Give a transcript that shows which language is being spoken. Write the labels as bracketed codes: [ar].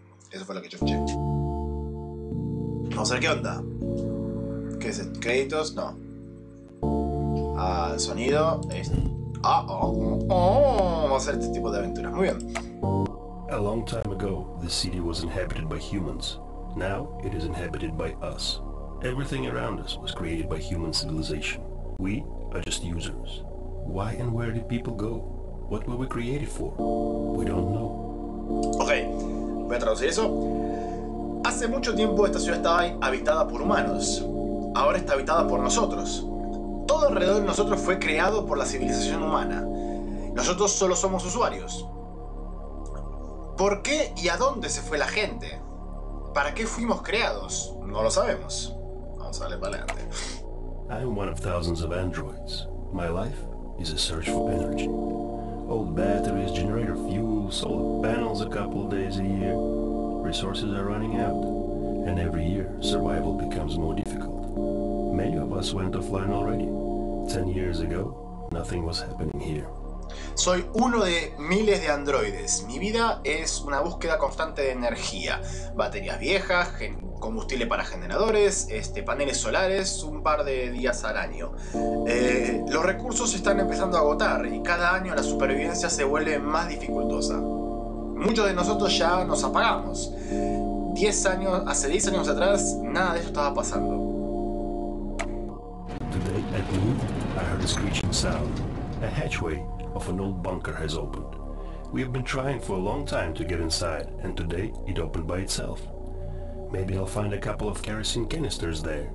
[es] Eso fue lo que yo escuché. Vamos a ver qué onda. ¿Qué es? ¿Créditos? No. Ah, el sonido es... ¡Ah! Vamos a hacer este tipo de aventuras. Muy bien. [en] A long time ago, this city was inhabited by humans. Now, it is inhabited by us. Everything around us was created by human civilization. We are just users. Why and where did people go? What were we created for? We don't know. [es] Okay, voy a traducir eso. Hace mucho tiempo esta ciudad estaba habitada por humanos. Ahora está habitada por nosotros. Todo alrededor de nosotros fue creado por la civilización humana. Nosotros solo somos usuarios. ¿Por qué y a dónde se fue la gente? ¿Para qué fuimos creados? No lo sabemos. Vamos a darle para adelante. [en] I'm one of thousands of androids. My life is a search for energy. Old batteries, generator fuel, solar panels a couple days a year. Resources are running out. And every year, survival becomes more difficult. Many of us went offline already. 10 years ago, nothing was happening here. [es] Soy uno de miles de androides. Mi vida es una búsqueda constante de energía. Baterías viejas, combustible para generadores, paneles solares, un par de días al año. Los recursos están empezando a agotar y cada año la supervivencia se vuelve más dificultosa. Muchos de nosotros ya nos apagamos. Hace 10 años atrás, nada de eso estaba pasando. [en] Today at noon, I heard a screeching sound. A hatchway of an old bunker has opened. We have been trying for a long time to get inside, and today it opened by itself. Maybe I'll find a couple of kerosene canisters there.